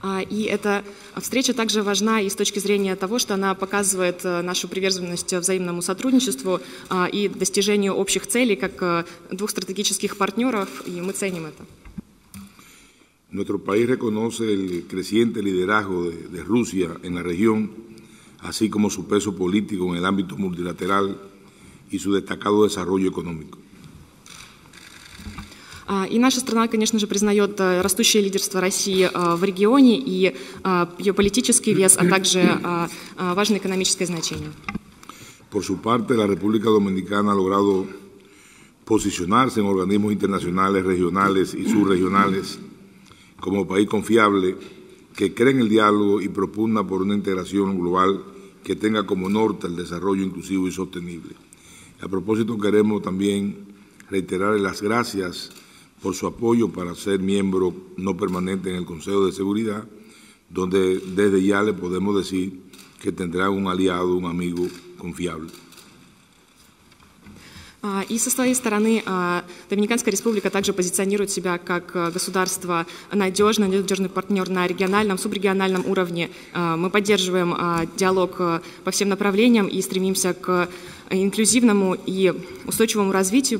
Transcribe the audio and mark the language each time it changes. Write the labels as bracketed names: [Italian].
[Russian] И эта встреча также важна и с точки зрения того, что она показывает нашу приверженность взаимному сотрудничеству и достижению общих целей как двух стратегических партнеров, и мы ценим это. [Spanish] Nuestro país reconoce el creciente liderazgo de Rusia en la región, así como su peso político en el ámbito multilateral y su destacado desarrollo económico. [Russian] И наша страна, конечно же, признает растущее лидерство России в регионе и ее политический вес, а также важное экономическое значение. [Spanish] Por su parte, la República Dominicana ha logrado posicionarse en organismos internacionales, regionales y subregionales como país confiable, que cree en el diálogo y propugna por una integración global que tenga como norte el desarrollo inclusivo y sostenible. A propósito, queremos también reiterar las gracias por su apoyo para ser miembro no permanente en el Consejo de Seguridad, donde desde ya le podemos decir que tendrá un aliado, un amigo confiable. [Russian] И со своей стороны Доминиканская Республика также позиционирует себя как государство надежный, надежный партнер на региональном, субрегиональном уровне. Мы поддерживаем диалог по всем направлениям и стремимся к инклюзивному и устойчивому развитию.